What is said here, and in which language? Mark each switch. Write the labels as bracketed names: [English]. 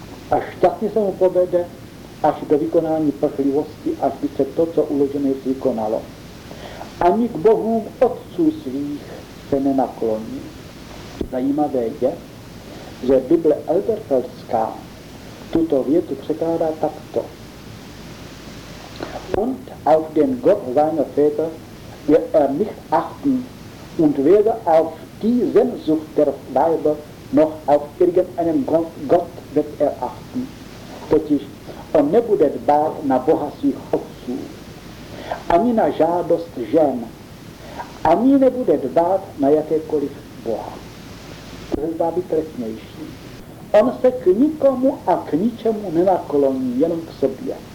[Czech] A šťastně se mu povede, až do vykonání prchlivosti, až by se to, co uložené, vykonalo. Ani k bohům otců svých se nenakloní. Zajímavé je, že Bible Elberfeldská tuto větu překládá takto. [German] Und auf den Gott seiner Väter wird nicht achten und weder auf die Sehnsucht der Weiber noch auf irgendeinen Gott wird achten. [Czech] Totiž on nebude dbát na boha svých otců, ani na žádost žen, ani nebude dbát na jakékoliv boha. To se zdá být trestnější. On se k nikomu a k ničemu nenakloní, jenom k sobě.